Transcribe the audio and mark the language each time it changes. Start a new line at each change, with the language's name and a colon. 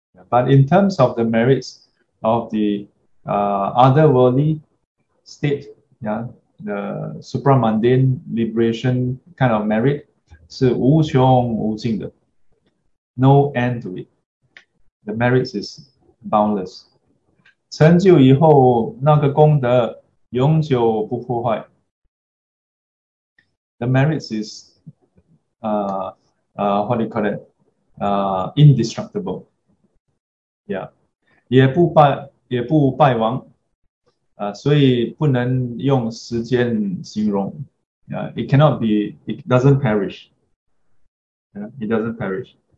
English: But in terms of the merits of the otherworldly state, yeah, the supramundane liberation kind of merit,
Chinese: 是无穷无尽的,
English: no end to it. The merits is boundless.
Chinese: 成就以后那个功德永久不破坏.
English: The merits is what do you call it? Indestructible. Yeah,
Chinese: 也不败亡, 所以不能用时间形容,
English: it cannot be, it doesn't perish, yeah, it doesn't perish.